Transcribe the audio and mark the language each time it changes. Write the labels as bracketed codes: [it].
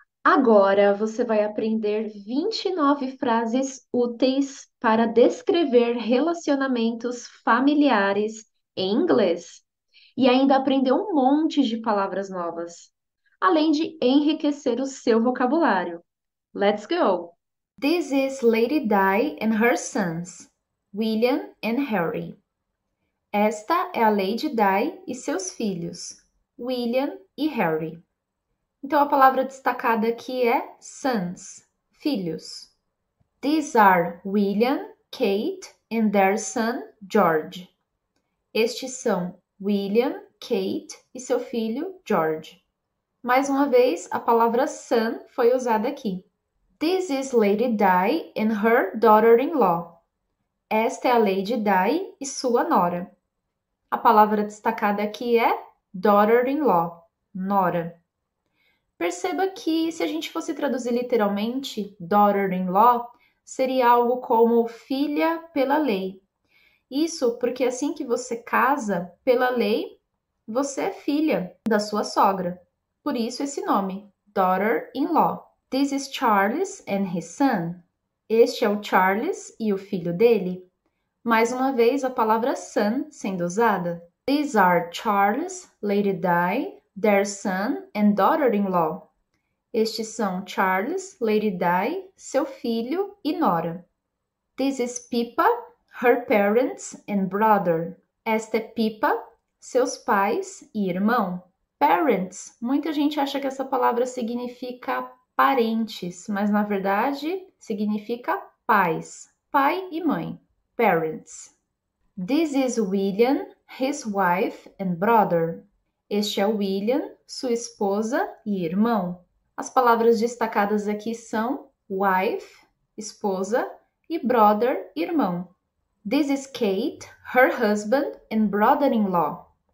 [pt] Agora você vai aprender 29 frases úteis para descrever relacionamentos familiares em inglês e ainda aprender um monte de palavras novas, além de enriquecer o seu vocabulário. [en] Let's go! This is Lady Di and her sons, William and Harry. [pt] Esta é a Lady Di e seus filhos, William e Harry. Então a palavra destacada aqui é sons, filhos. [en] These are William, Kate and their son George. [pt] Estes são William, Kate e seu filho George. Mais uma vez, a palavra son foi usada aqui. [en] This is Lady Di and her daughter-in-law. [pt] Esta é a Lady Di e sua nora. A palavra destacada aqui é daughter-in-law, nora. Perceba que se a gente fosse traduzir literalmente daughter-in-law, seria algo como filha pela lei. Isso porque assim que você casa, pela lei, você é filha da sua sogra. Por isso esse nome, [en] daughter-in-law. This is Charles and his son. [pt] Este é o Charles e o filho dele. Mais uma vez, a palavra son sendo usada. [en] These are Charles, Lady Di, their son and daughter-in-law. [pt] Estes são Charles, Lady Di, seu filho e nora. [en] This is Pippa, her parents and brother. [pt] Esta é Pippa, seus pais e irmão. Parents. Muita gente acha que essa palavra significa parentes, mas na verdade significa pais, pai e mãe, parents. [en] This is William, his wife and brother. [pt] Este é William, sua esposa e irmão. As palavras destacadas aqui são wife, esposa, e brother, irmão. [en] This is Kate, her husband and brother-in-law.